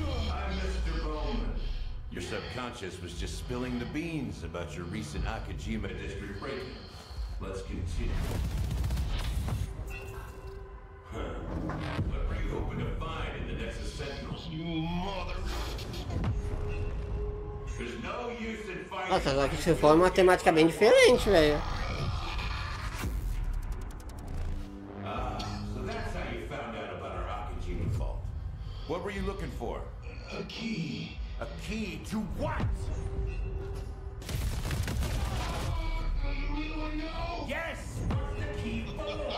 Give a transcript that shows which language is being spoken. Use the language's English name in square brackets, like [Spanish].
[English] I'm Mr. Bowman. Your subconscious was just spilling the beans about your recent Akajima district break. Let's continue. Huh. What are you hoping to find in the Nexus Sentinels, you mother? There's no use in fighting. [Portuguese] Nossa, só que se for uma temática bem diferente, velho. [English] Ah, so that's how you found out about our Akajima vault. What were you looking for? A key. A key to what? Do you really want to know? Yes! What's the key for?